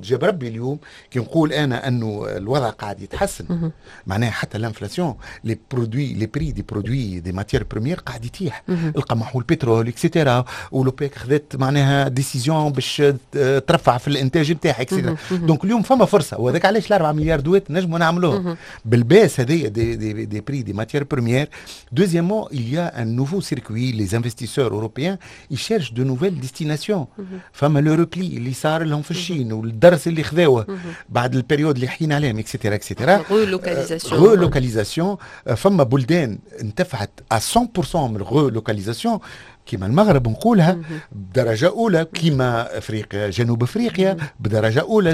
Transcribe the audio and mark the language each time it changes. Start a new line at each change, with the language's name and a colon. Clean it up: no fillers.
Arabic: جاب ربي اليوم كي نقول انا انه الوضع قاعد يتحسن، معناها حتى الانفلاسيون لي برودوي لي بري دي برودوي دي ماتيير بريمير قاعد يطيح. القمح والبترول اكسترا، ولوبيك خذت معناها ديسيزيون باش ترفع في الانتاج نتاعها اكسترا. دونك اليوم فما فرصه، وهذاك علاش 4 مليار دويت نجمو نعملوه بالباس هذيا دي بري دي ماتيير بريمير.
French: دوزيامون il y a un nouveau circuit, les investisseurs européens ils cherchent de nouvelles destinations.
Arabic: فما لو ريبلي اللي صار لهم في الصين والدرس اللي خذوه بعد البريود اللي حين عليهم اكسترا اكسترا. رولوكاليزاسيون فما بلدان انتفعت 100% من الرولوكاليزاسيون. كيما المغرب نقولها بدرجة أولى، كيما أفريقيا جنوب أفريقيا بدرجة أولى.